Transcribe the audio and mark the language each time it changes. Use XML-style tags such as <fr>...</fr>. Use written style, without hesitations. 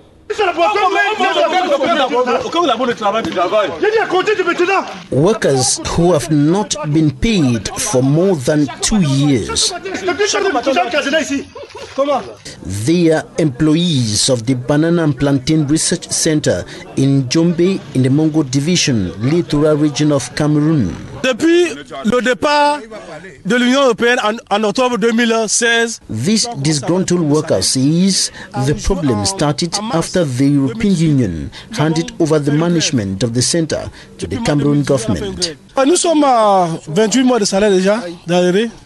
<en>Workers who have not been paid for more than 2 years. The employees of the Banana and Plantain Research Center in Jombe in the Mongo Division, Littoral Region of Cameroon.</en> <fr>Depuis le départ de l'Union européenne en octobre 2016,</fr> <en>this disgruntled worker says the problem started after the European Union handed over the management of the center to the Cameroon government.</en> <fr>Nous sommes à 28 mois de salaire déjà d'arrivée.</fr>